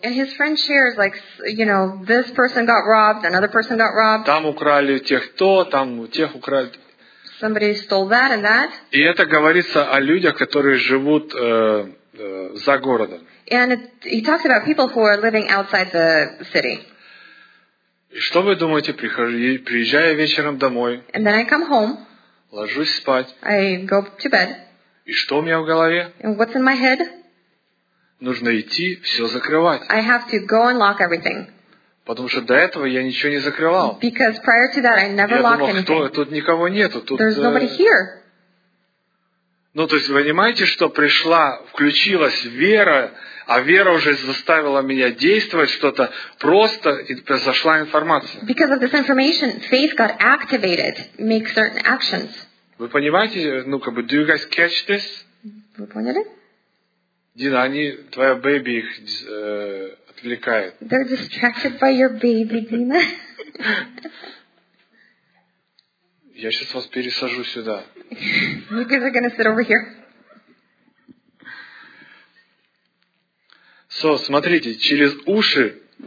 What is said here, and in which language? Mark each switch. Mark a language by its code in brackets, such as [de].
[en] And his friend shares, like, you know, this person got robbed, another person got robbed. [ru] Там украли у тех то, там у тех украли. [en] Somebody stole that and that. [ru] И это говорится о людях, которые живут за городом. [en] And he talks about people who are living outside the city. [ru] И что вы думаете, приезжая вечером домой? [en] And then I come home. [ru] Ложусь спать. [en] I go to bed. [ru] И что у меня в голове? [en] And what's in my head? [ru] Нужно идти все закрывать. [en] I have to go and lock everything. [ru] Потому что до этого я ничего не закрывал. [en] Because prior to that I never locked anything. [ru] Я думал, тут никого нету. Тут, [en] There's nobody here. [ru] Ну, то есть, вы понимаете, что пришла, включилась вера, а вера уже заставила меня действовать что-то просто, и произошла информация. [en] Because of this information, faith got activated, make certain actions. [ru] Вы понимаете, ну, как бы, [en] do you guys catch this? [ru] Вы поняли? Дина, они, твоя бэби их отвлекает. [en] They're distracted by your baby, Дина. [ru] Я сейчас вас пересажу сюда. [en] You guys are gonna sit over here. [ru] So, смотрите, через уши